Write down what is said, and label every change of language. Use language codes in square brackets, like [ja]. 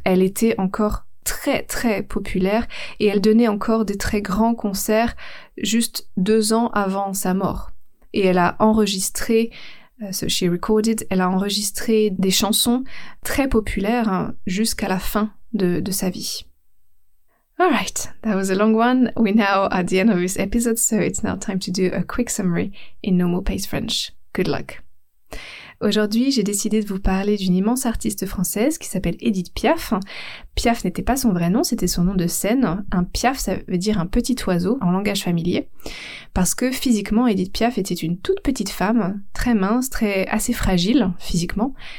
[fr] Elle était encore très très populaire et elle donnait encore des très grands concerts juste 2 ans avant sa mort. Et elle a enregistré, elle a enregistré des chansons très populaires jusqu'à la fin de sa vie. [en] All right, that was a long one. We now at the end of this episode, so it's now time to do a quick summary in normal pace French. Good luck. [fr] Aujourd'hui, j'ai décidé de vous parler d'une immense artiste française qui s'appelle Édith Piaf. Piaf n'était pas son vrai nom, c'était son nom de scène. Un piaf, ça veut dire un petit oiseau en langage familier. Parce que physiquement, Édith Piaf était une toute petite femme, très mince, très assez fragile physiquement.